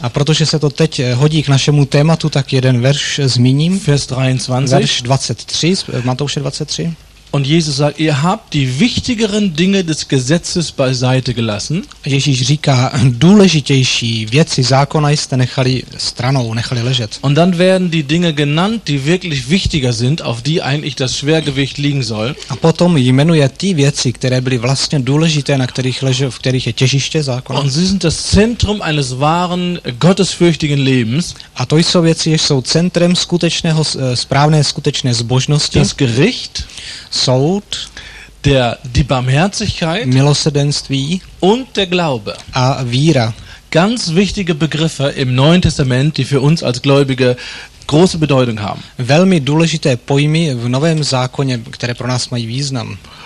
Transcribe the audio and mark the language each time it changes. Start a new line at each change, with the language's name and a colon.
Czech: A protože se to teď hodí k našemu tématu, tak jeden verš zmíním.
German: Vers 23.
Czech: Verš 23, Matouše 23.
German: Und Jesus sagt, ihr habt die wichtigeren Dinge des Gesetzes beiseite gelassen.
Czech: Ježíš říká, důležitější věci zákona jste nechali stranou, nechali ležet.
German: Und dann werden die Dinge genannt, die wirklich wichtiger sind, auf die eigentlich das Schwergewicht liegen soll.
Czech: A potom jmenuje ty věci, které byly vlastně důležité, na kterých leže, v kterých je těžiště zákona.
German: Und sie sind das Zentrum eines wahren gottesfürchtigen Lebens.
Czech: A to jsou věci, jež jsou centrem skutečného, správné, skutečné zbožnosti.
German: Das Gericht.
Czech: Soud,
German: die Barmherzigkeit,
Czech: milosrdenství
German: und der Glaube.
Czech: A víra.
German: Ganz wichtige Begriffe im Neuen Testament, die für uns als Gläubige große Bedeutung haben.
Czech: Velmi důležité pojmy v Novém zákoně, které pro nás mají význam.